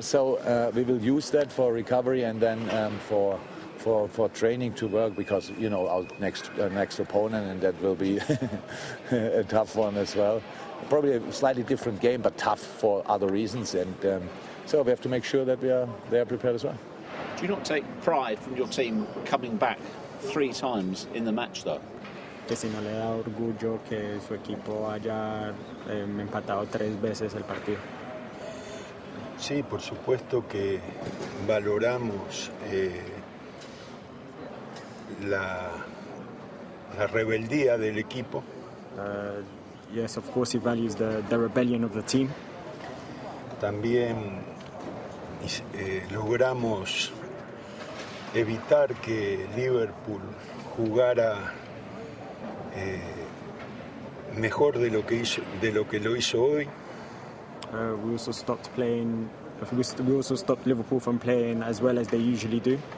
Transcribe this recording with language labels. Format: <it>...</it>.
<en>So we will use that for recovery and then for training to work because, you know, our next opponent, and that will be a tough one as well. Probably a slightly different game, but tough for other reasons. And so we have to make sure that they are prepared as well. Do you not take pride from your team coming back three times in the match, though?</en> <es>Que si no le da orgullo que su equipo haya empatado tres veces el partido. Sí, por supuesto que valoramos la rebeldía del equipo.</es> <en>Yes, of course he values the rebellion of the team.</en> <es>También logramos evitar que Liverpool jugara mejor de lo que lo hizo hoy.</es> <en>We also stopped playing. We also stopped Liverpool from playing as well as they usually do.</en>